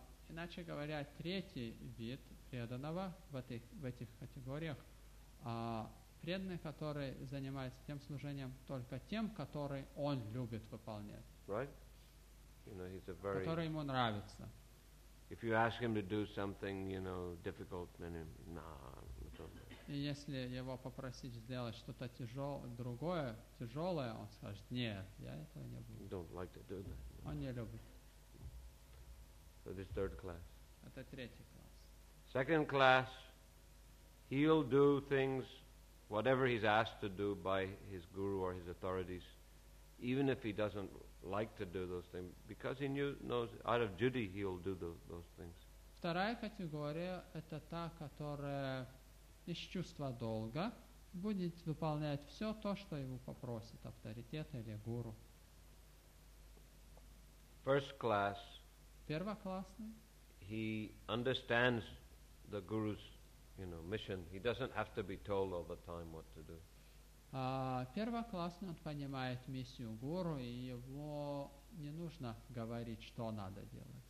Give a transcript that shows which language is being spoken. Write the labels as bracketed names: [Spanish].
[Russian] Иначе говоря, третий вид преданного в этих категориях, преданный, который занимается тем служением только тем, который он любит выполнять. [English] Right? You know, he's a very... [Russian] Который ему нравится. [English] If you ask him to do something, you know, difficult, then nah. [Russian] И если его попросить сделать что-то тяжелое, он скажет, нет, я этого не буду. [English] Don't like to do that. No. [Russian] Он не любит. [English] So this third class. [Russian] Это третий класс. [English] Second class, he'll do things, whatever he's asked to do by his guru or his authorities, even if he doesn't like to do those things, because he knows out of duty he'll do those things. [Russian] Вторая категория это та, которая из чувства долга будет выполнять все то, что его попросит авторитет или гуру. [English] First class. [Russian] Первоклассный. [English] He understands the guru's, you know, mission. He doesn't have to be told all the time what to do. [Russian] Первоклассный, он понимает миссию гуру, и его не нужно говорить, что надо делать.